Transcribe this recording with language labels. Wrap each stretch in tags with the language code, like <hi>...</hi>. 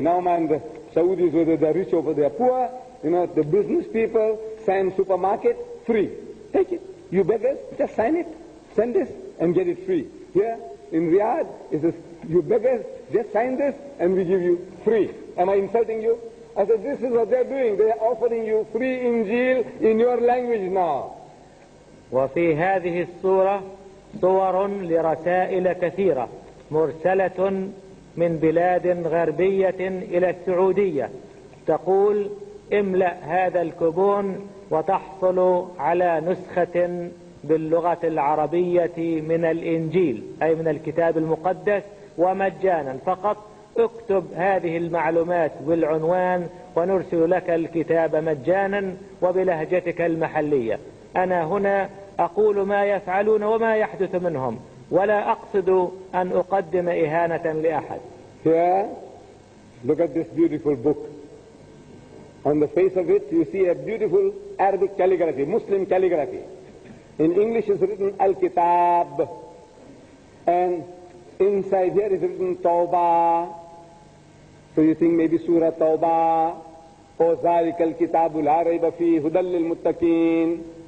<en>Now mind the Saudis, whether they're rich or they're poor, you know, the business people, same supermarket, free. Take it. You beggars, just sign it, send this and get it free. Here in Riyadh, it says, you beggars, just sign this and we give you free. Am I insulting you? I said, this is what they're doing. They are offering you free Injil in your language now.</en> <ar>وفي هذه الصورة صور لرسائل كثيرة مرسلة من بلاد غربية إلى السعودية، تقول املأ هذا الكوبون وتحصل على نسخة باللغة العربية من الإنجيل، أي من الكتاب المقدس، ومجانا. فقط اكتب هذه المعلومات والعنوان ونرسل لك الكتاب مجانا وبلهجتك المحلية. أنا هنا أقول ما يفعلون وما يحدث منهم، ولا أقصد أن أقدم إهانة لأحد.</ar> <en>Here, look at this beautiful book. On the face of it, you see a beautiful Arabic calligraphy, Muslim calligraphy. In English is written Al-Kitab. And inside here is written Tawbah. So you think maybe Surah Tawbah.</en> <ar>O Zalika Al-Kitabu La-Rayba Fi Hudallil Muttaqeen.</ar>